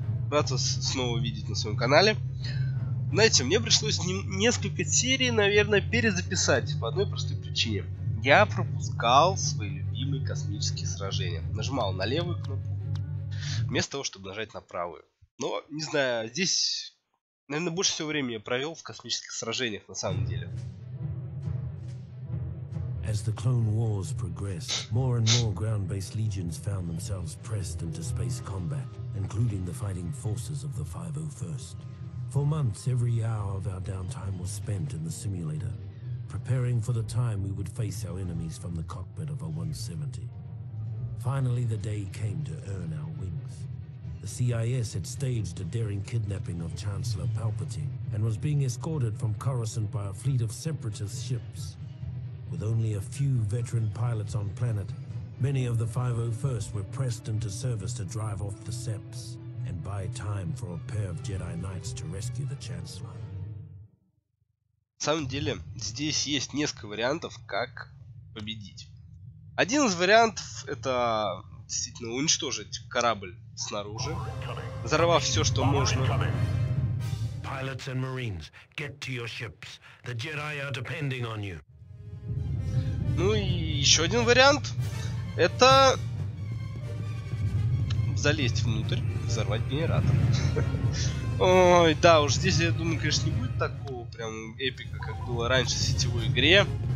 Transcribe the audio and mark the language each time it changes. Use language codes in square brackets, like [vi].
[ru] Рад вас снова видеть на своем канале. Знаете, мне пришлось несколько серий, наверное, перезаписать по одной простой причине. Я пропускал свои любимые космические сражения. Нажимал на левую кнопку, вместо того, чтобы нажать на правую. Но, не знаю, здесь, наверное, больше всего времени я провел в космических сражениях, на самом деле. [en] As the Clone Wars progressed, more and more ground-based legions found themselves pressed into space combat, including the fighting forces of the 501st. For months, every hour of our downtime was spent in the simulator, preparing for the time we would face our enemies from the cockpit of a 170. Finally, the day came to earn our wings. The CIS had staged a daring kidnapping of Chancellor Palpatine and was being escorted from Coruscant by a fleet of separatist ships. With only a few veteran pilots on planet, many of the 501st were pressed into service to drive off the Seps and buy time for a pair of Jedi Knights to rescue the Chancellor. [ru] На самом деле, здесь есть несколько вариантов, как победить. Один из вариантов – это действительно уничтожить корабль снаружи, взорвав все, что можно. [en] Pilots and Marines, get to your ships. The Jedi are depending on you. [ru] Ну и еще один вариант — это залезть внутрь, взорвать генератор. Ой, да, уж здесь, я думаю, конечно, не будет такого прям эпика, как было раньше в сетевой игре.